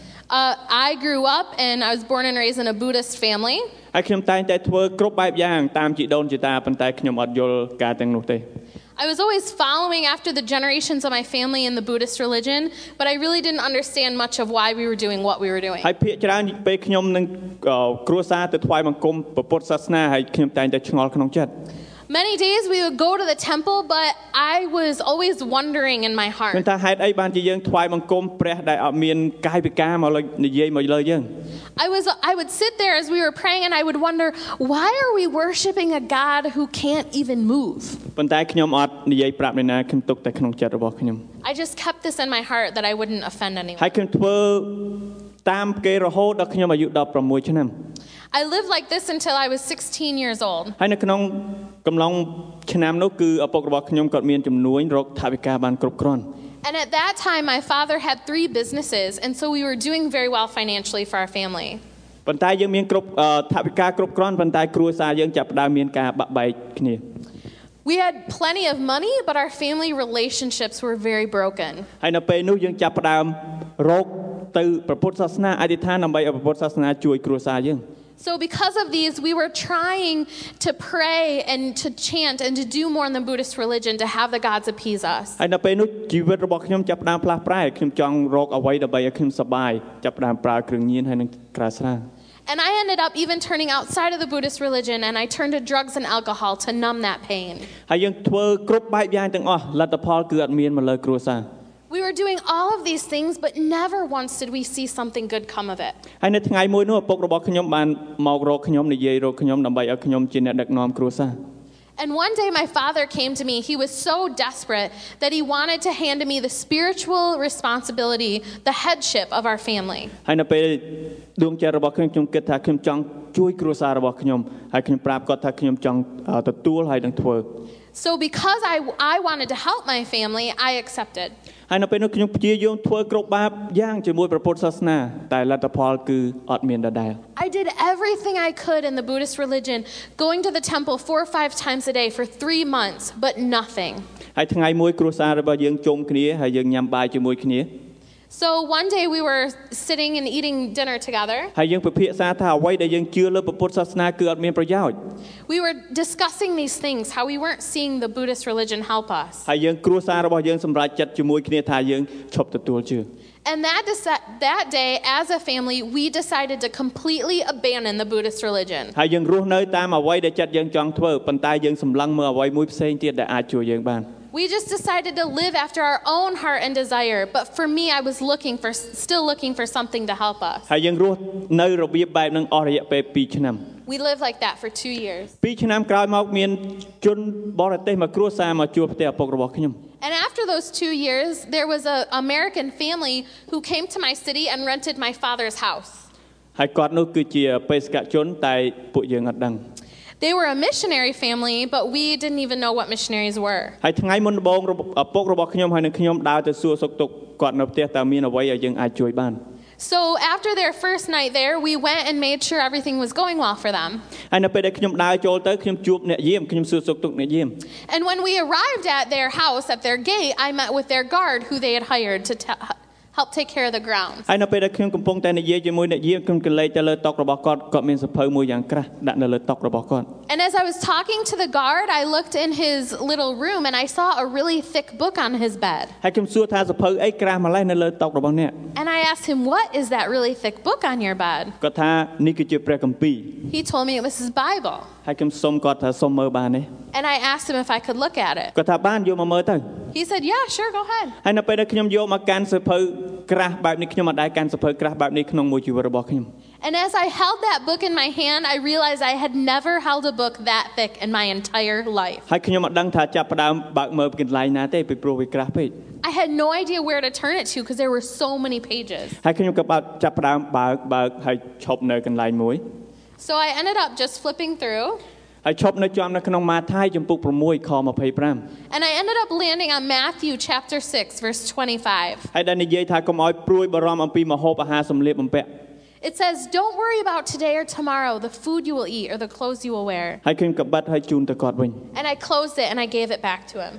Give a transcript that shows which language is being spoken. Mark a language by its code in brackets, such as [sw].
[en] I grew up and I was born and raised in a Buddhist family. I can find that work group by young time. You don't get up and take your module getting no day. I was always following after the generations of my family in the Buddhist religion, but I really didn't understand much of why we were doing what we were doing. [km] ហើយភាគច្រើនពេលខ្ញុំនឹងគ្រួសារទៅថ្វាយបង្គំពុទ្ធសាសនាហើយខ្ញុំតែងតែឆ្ងល់ក្នុងចិត្ត. [en] Many days we would go to the temple, but I was always wondering in my heart. [km] មិនថាហេតុអីបានជាយើងថ្វាយបង្គំព្រះដែលអត់មានកាយវិការមកលើនិយាយមកលើយើង. [en] I would sit there as we were praying and I would wonder, why are we worshiping a God who can't even move? [km] ប៉ុន្តែខ្ញុំអត់និយាយប្រាប់ណាខ្ញុំទុកតែក្នុងចិត្តរបស់ខ្ញុំ. [en] I just kept this in my heart that I wouldn't offend anyone. [km] ហើយខ្ញុំធ្វើតាមគេរហូតដល់ខ្ញុំអាយុ16ឆ្នាំ. [en] I lived like this until I was 16 years old. [km] ហើយនៅក្នុងកំឡុងឆ្នាំនោះគឺឪពុករបស់ខ្ញុំក៏មានចំនួនរកថវិកាបានគ្រប់គ្រាន់. [en] And at that time, my father had 3 businesses, and so we were doing very well financially for our family. [km] ប៉ុន្តែយើងមានគ្រប់ថវិកាគ្រប់គ្រាន់ប៉ុន្តែគ្រួសារយើងចាប់ផ្ដើមមានការបាក់បែកគ្នា. [en] We had plenty of money, but our family relationships were very broken. [km] ហើយនៅពេលនោះយើងចាប់ផ្ដើមរកទៅព្រះពុទ្ធសាសនាអធិដ្ឋានដើម្បីឲ្យព្រះពុទ្ធសាសនាជួយគ្រួសារយើង. [en] So because of these, we were trying to pray and to chant and to do more in the Buddhist religion to have the gods appease us. [km] ហើយនៅពេលនោះជីវិតរបស់ខ្ញុំចាប់ផ្ដើមផ្លាស់ប្រែខ្ញុំចង់រកអ្វីដើម្បីឲ្យខ្ញុំសប្បាយចាប់ផ្ដើមប្រើគ្រឿងញៀនហើយនឹងក្រៅស្រា. [en] And I ended up even turning outside of the Buddhist religion and I turned to drugs and alcohol to numb that pain. [km] ហើយយើងធ្វើគ្រប់បែបយ៉ាងទាំងអស់លទ្ធផលគឺអត់មានមកលើគ្រួសារ. [en] We were were doing all of these things, but never once did we see something good come of it. [km] ហើយនៅថ្ងៃមួយនោះឪពុករបស់ខ្ញុំបានមករកខ្ញុំនិយាយរកខ្ញុំដើម្បីឲ្យខ្ញុំជាអ្នកដឹកនាំគ្រួសារ [en] And one day my father came to me. He was so desperate that he wanted to hand me the spiritual responsibility, the headship of our family. [km] ហើយនៅពេលដួងចិត្តរបស់ខ្ញុំខ្ញុំគិតថាខ្ញុំចង់ជួយគ្រួសាររបស់ខ្ញុំហើយខ្ញុំប្រាប់គាត់ថាខ្ញុំចង់ទទួលហើយនឹងធ្វើ [en] So because I wanted to help my family, I accepted. [km] ហើយនៅពេលនោះខ្ញុំព្យាយាមធ្វើគ្រប់បែបយ៉ាងជាមួយព្រះពុទ្ធសាសនាតែលទ្ធផលគឺអត់មានដដែល [en] I did everything I could in the Buddhist religion, going to the temple 4 or 5 times a day for 3 months, but nothing. [km] ហើយថ្ងៃមួយគ្រួសាររបស់យើងជុំគ្នាហើយយើងញ៉ាំបាយជាមួយគ្នា [en] So one day we were sitting and eating dinner together. [km] ហើយយើងពិភាក្សាថាអ្វីដែលយើងជឿលើព្រះពុទ្ធសាសនាគឺអត់មានប្រយោជន៍ [en] We were discussing these things how we weren't seeing the Buddhist religion help us. [km] ហើយយើងគ្រួសាររបស់យើងសម្រេចចិត្តជាមួយគ្នាថាយើងឈប់ទទួលជឿ [en] And that day as a family we decided to completely abandon the Buddhist religion. [km] ហើយយើងរស់នៅតាមអ្វីដែលចិត្តយើងចង់ធ្វើប៉ុន្តែយើងសម្លឹងមើលអ្វីមួយផ្សេងទៀតដែលអាចជួយយើងបាន [en] We just decided to live after our own heart and desire, but for me I was still looking for something to help us. [km] ហើយយើងរស់នៅរបៀបបែបហ្នឹងអស់រយៈពេល2ឆ្នាំ [en] We lived like that for 2 years. [km] 2ឆ្នាំក្រោយមកមានជនបរទេសមកគ្រួសារមកជួបផ្ទះឪពុករបស់ខ្ញុំ [en] And after those 2 years, there was an American family who came to my city and rented my father's house. [km] ហើយគាត់នោះគឺជាបេសកជនតែពួកយើងអត់ដឹង [en] They were a missionary family, but we didn't even know what missionaries were. [km] ហើយថ្ងៃមុនដំបូងឪពុករបស់ខ្ញុំហើយនឹងខ្ញុំដើរទៅសួរសុខទុក្ខគាត់នៅផ្ទះតើមានអ្វីឲ្យយើងអាចជួយបាន [en] So after their first night there, we went and made sure everything was going well for them. [km] ហើយនៅពេលដែលខ្ញុំដើរចូលទៅខ្ញុំជួបអ្នកយាមខ្ញុំសួរសុខទុក្ខអ្នកយាម [en] And when we arrived at their house at their gate, I met with their guard who they had hired to help take care of the grounds. [km] ហើយនៅពេលដែលខ្ញុំកំពុងតែនិយាយជាមួយអ្នកយាមខ្ញុំក៏លេចទៅលើតុរបស់គាត់គាត់មានសភៅមួយយ៉ាងក្រាស់ដាក់នៅលើតុរបស់គាត់ [en] And as I was talking to the guard, I looked in his little room and I saw a really thick book on his bed. [km] ហើយខ្ញុំសួរថាសភៅអីក្រាស់ម្ល៉េះនៅលើតុរបស់អ្នក [en] And I asked him, "What is that really thick book on your bed?" [km] គាត់ថានេះគឺជាព្រះគម្ពីរ [en] He told me it was his Bible. [km] ហើយខ្ញុំសុំគាត់ថាសុំមើលបានទេ [en] And I asked him if I could look at it. [km] គាត់ថាបានយកមកមើលទៅ [en] He said, "Yeah, sure, go ahead." [km] ហើយនៅពេលដែលខ្ញុំយកមកកាន់សភៅក្រាស់បែបនេះខ្ញុំមិនដែលកាន់សភៅក្រាស់បែបនេះក្នុងមួយជីវិតរបស់ខ្ញុំ [en] And as I held that book in my hand, I realized I had never held a book that thick in my entire life. [km] ហើយខ្ញុំមិនដឹងថាចាប់ផ្ដើមបើកមើលពីកន្លែងណាទេពីព្រោះវាក្រាស់ពេក [en] I had no idea where to turn it to because there were so many pages. [km] ហើយខ្ញុំក៏បើកចាប់ផ្ដើមបើកហើយឈប់នៅកន្លែងមួយ [en] So I ended up just flipping through. [km] ហើយឈប់នៅចំនៅក្នុងម៉ាថាយជំពូក6ខ25 [en] And I ended up landing on Matthew chapter 6 verse 25. [km] ហើយដល់និយាយថាកុំឲ្យព្រួយបារម្ភអំពីម្ហូបអាហារសម្លៀកបំពាក់ [en] It says, "Don't worry about today or tomorrow, the food you will eat or the clothes you will wear." [km] ហើយខ្ញុំក៏បတ်ហើយជូនទៅគាត់វិញ [en] And I closed it and I gave it back to him.